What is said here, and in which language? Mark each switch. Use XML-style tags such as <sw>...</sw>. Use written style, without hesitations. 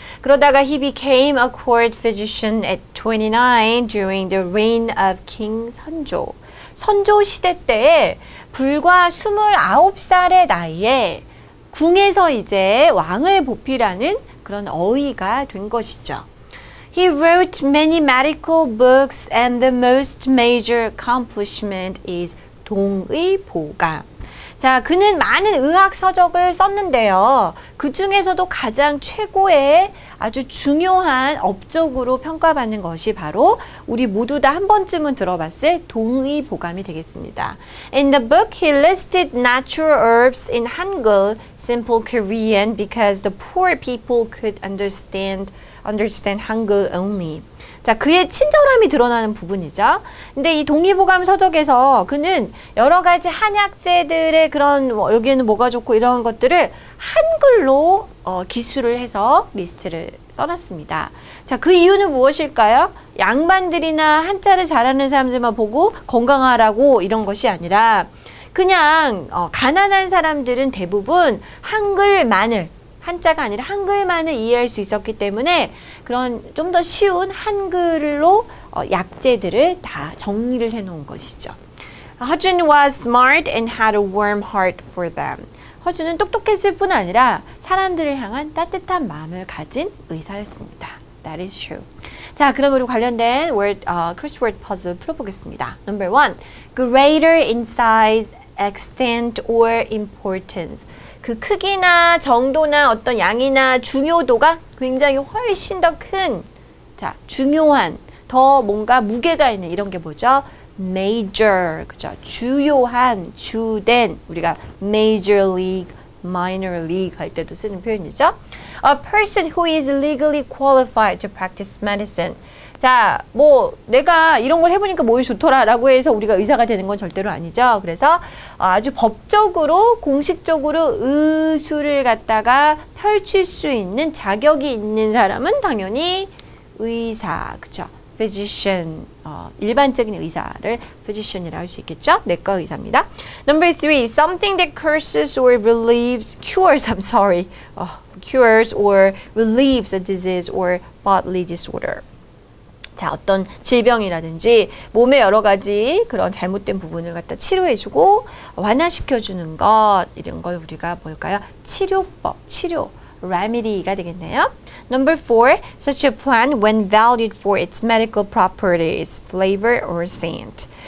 <ko>그러다가</ko> <en>he became a court physician at 29 during the reign of King 선조.</en> <ko>선조 시대 때에 불과 29살의 나이에 궁에서 이제 왕을 보필하는 그런 어의가 된 것이죠.</ko> <en>He wrote many medical books and the most major accomplishment is 동의보감.</en> <ko>자, 그는 많은 의학 서적을 썼는데요. 그 중에서도 가장 최고의 아주 중요한 업적으로 평가받는 것이 바로 우리 모두 다 한 번쯤은 들어봤을 동의보감이 되겠습니다.</ko> <en>In the book, he listed natural herbs in Hangul, simple Korean, because the poor people could understand Hangul only.</en> <ko>자, 그의 친절함이 드러나는 부분이죠. 근데 이 동의보감 서적에서 그는 여러 가지 한약재들의 그런 뭐 여기에는 뭐가 좋고 이런 것들을 한글로 기술을 해서 리스트를 써놨습니다. 자, 그 이유는 무엇일까요? 양반들이나 한자를 잘하는 사람들만 보고 건강하라고 이런 것이 아니라 그냥 가난한 사람들은 대부분 한글만을, 한자가 아니라 한글만을 이해할 수 있었기 때문에 그런 좀 더 쉬운 한글로 약재들을 다 정리를 해놓은 것이죠.</ko> <en>Hajun was smart and had a warm heart for them.</en> <ko>허준은 똑똑했을 뿐 아니라 사람들을 향한 따뜻한 마음을 가진 의사였습니다.</ko> <en>That is true.</en> <ko>자, 그럼 우리 관련된 crossword puzzle 풀어보겠습니다.</ko> <en>Number one, greater in size, extent, or importance.</en> <ko>그 크기나 정도나 어떤 양이나 중요도가 굉장히 훨씬 더 큰, 자, 중요한, 더 뭔가 무게가 있는 이런 게 뭐죠? Major, 그죠? 주요한, 주된, 우리가</ko> <en>Major League, Minor League</en> <ko>할 때도 쓰는 표현이죠.</ko> <en>A person who is legally qualified to practice medicine.</en> <ko>자, 뭐 내가 이런 걸 해보니까 몸이 좋더라 라고 해서 우리가 의사가 되는 건 절대로 아니죠. 그래서 아주 법적으로 공식적으로 의술을 갖다가 펼칠 수 있는 자격이 있는 사람은 당연히 의사, 그쵸? Physician, 일반적인 의사를 physician이라고 할 수 있겠죠. 내과 의사입니다.</ko> <en>Number three, something that curses or relieves, cures, I'm sorry, cures or relieves a disease or bodily disorder.</en> <ko>자, 어떤 질병이라든지 몸의 여러 가지 그런 잘못된 부분을 갖다 치료해주고 완화시켜주는 것, 이런 걸 우리가 뭘까요? 치료법, 치료,</ko> <en>remedy</en> <ko>가 되겠네요.</ko> <en>Number four, such a plant when valued for its medical properties, flavor or scent.</en>